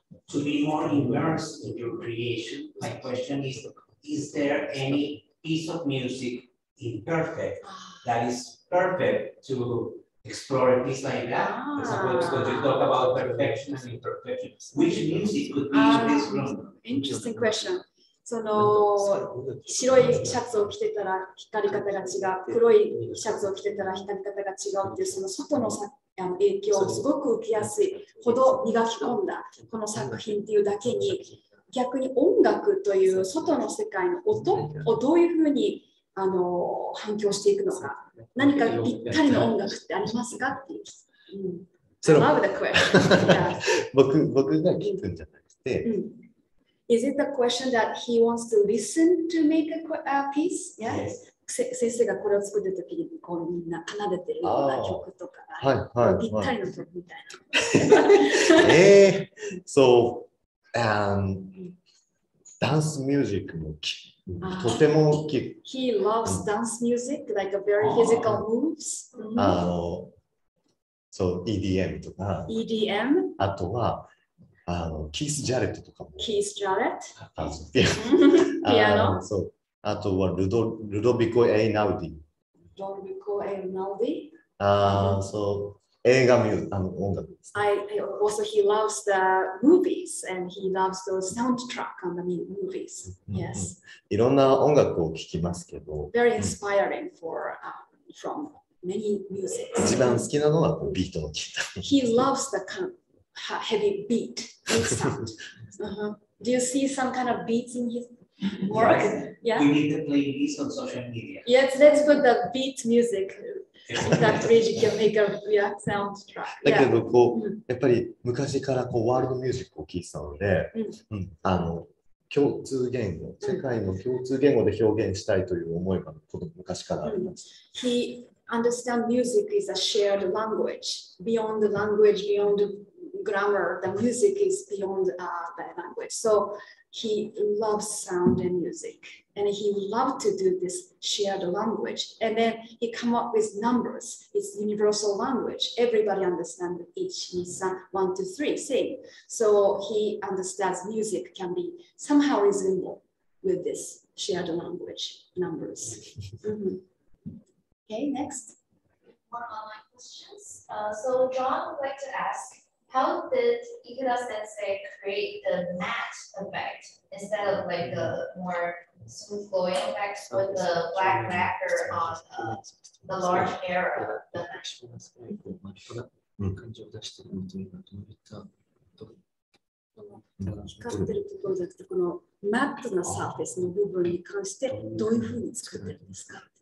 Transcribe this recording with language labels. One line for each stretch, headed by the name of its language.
English: To be more immersed in your creation, my question is there any piece of music imperfect that is perfect to explore a piece like that? For example, because you talk about perfection and imperfection. Which music could be in this room? Interesting question.
Japanese: その白いシャツを着てたら光り方が違う、黒いシャツを着てたら光り方が違うっていうその外の影響をすごく受けやすいほど磨き込んだこの作品っていうだけに、逆に音楽という外の世界の音をどういうふうに反響していくのか、何かぴったりの音楽ってありますかっていう。そ、う、れ、ん、僕が聞くんじゃなくて。うん、
English: is it the question that he wants to listen to make a piece? Yes.
Japanese: 先生がこれを作ってるときにこうみんな奏でてるような曲とか、はいはい、ぴったりの曲みたいな。
English: So, dance music
Japanese: もとても大きい。
English: He loves dance music, like a very physical moves.
Japanese: So, EDM とか。 EDM? あとは、キース・ジャレットとかも。キース・ジャレットピアノ。そう。あとはルドビコ・エイ・ナウディ。ルドビコ・エイ・ナウディ。ああ、そう。映画見る、音楽です。
English: I also, he loves the movies and he loves the soundtrack on the movies. Yes.
Japanese: いろんな音楽を聴きますけど。
English: Very inspiring for, from many music.
Japanese: 一番好きなのはビートを聴いた。
English: He loves the kind of,heavy beat sound. 、uh-huh. Do you see some kind of beats in his work? Yeah. We need to play this on social media. Yes, let's put the beat music that Reggie can make a react soundtrack.
Japanese: だけどこう、やっぱり昔からこうワールドミュージックを聴いてたので、共通言語、世界の共通言語で表現したいという思いが昔からあります。
English: He understand music is a shared language, beyond the language, beyond grammar, the music is beyond the language. So he loves sound and music. And he loved to do this shared language. And then he come up with numbers. It's universal language. Everybody understands each Nissan 1, 2, 3, same. So he understands music can be somehow resembled with this shared language numbers. Mm-hmm. Okay, next. One online questions. So John would like to ask,how did Ikeda sensei create the matte effect instead of like the more smooth flowing effects with the black lacquer on the large hair of the matte?
Japanese: 感じを出しているのというか、どういったと、光っているところじゃなくて、このマットのサーフェスの部分に関して、どういうふうに作っているんですか。